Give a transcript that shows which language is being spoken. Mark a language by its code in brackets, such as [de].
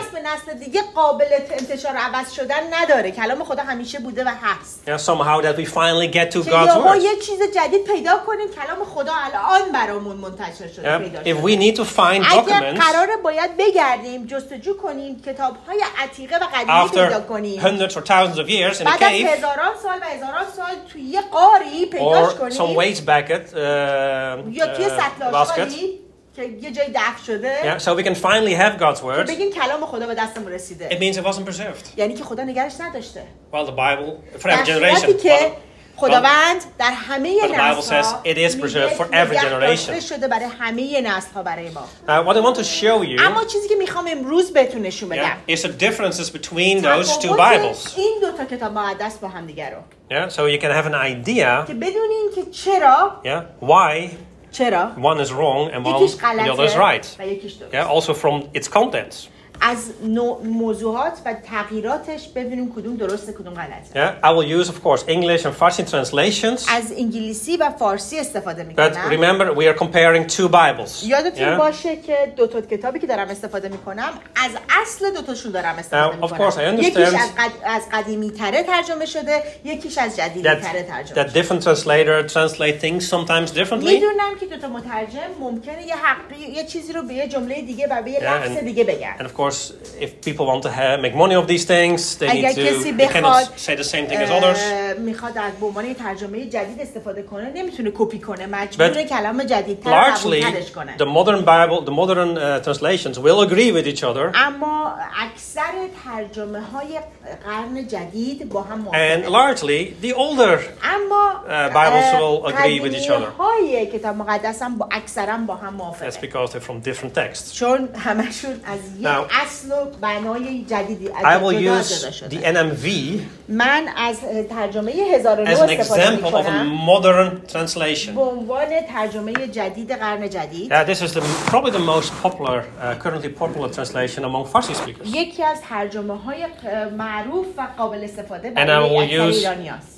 [fa] پس نسل دیگه قابل انتشار عوض شدن نداره. کلام خدا همیشه بوده و هست. [en] Yeah, somehow that we finally get to God's word. [fa] یه چیز جدید پیدا کنیم کلام خدا الان برامون منتشر شده پیدا. [en] If we need to find documents, [fa] اگر قراره باید بگردیم جستجو کنیم کتاب‌های عتیقه و قدیمی [en] After [fa] پیدا کنیم. [en] Hundreds or thousands of years in [fa] بعد [en] a cave, [fa] از هزاران سال و هزاران سال توی یه قاری پیداش کنیم. [en] Or some ways back at [fa] یا توی سطلاش که یه جای دفن شده. [en] Yeah, so we can finally have God's word. [fa] بگیم کلام خدا به دستمون رسیده. [en] It means it wasn't preserved. [fa] یعنی که خدا نگارش نداشته. [en] Well, the Bible for every generation. [fa] خداوند در همه نسل‌ها. [en] The Bible says it is preserved for every generation. [fa] شده برای همه نسل‌ها برای ما. [en] What I want to show you. [fa] اما چیزی که میخوام امروز بهتون نشون بدم. [en] Yeah. It's the differences between those two Bibles. [fa] این دو تا کتاب مقدس با هم دیگه رو. [en] Yeah. So you can have an idea. [fa] که بدونین که چرا. [en] Yeah. Why. [fa] چرا. [en] One is wrong and one the other is right. [fa] و یکیش درست. [en] Yeah. Also from its contents. [fa] از موضوعات و تغییراتش ببینیم کدوم درسته کدوم غلطه. [en] Yeah, I will use of course English and Farsi translations. [fa] از انگلیسی و فارسی استفاده میکنم. [en] But remember we are comparing two Bibles. [fa] یادتون باشه که دو تا کتابی که دارم استفاده میکنم از اصل دو تاشون دارم استفاده میکنم. [en] Of course I understand. [fa] یکیش از قدیمی تره ترجمه شده، یکیش از جدیدی تره ترجمه شده. [en] That different translator translate things sometimes differently. [fa] میدونم که دو تا مترجم ممکنه یه حقی یه چیزی رو به یه جمله دیگه و به یه لفظ دیگه بگن. [en] Of course, if people want to make money off these things, they need to cannot say the same thing as others. [fa] میخواد از بومانی ترجمه جدید استفاده کنه، نمیتونه کپی کنه، مجبوره کلام جدید تر رو تلاش کنه. [en] The modern Bible, the modern translations will agree with each other. [fa] اما اکثر ترجمه های قرن جدید با هم موافقه. [en] And largely the older Bibles will agree with each other. [fa] های کتاب مقدس هم اکثرا با هم موافقه. [en] That's because they're from different texts. [fa] چون همشون از [en] Now, [fa] اصل و بنای جدیدی از [en] I will use the NMV [fa] من از ترجمه 1009 استفاده می‌کنم. [en] As an example of a modern translation. [fa] به عنوان ترجمه جدید قرن جدید. [en] Yeah, this is the, probably the most popular currently popular translation among Farsi speakers. [fa] یکی از ترجمه‌های معروف و قابل استفاده برای ایرانی‌ها. [en] And I will use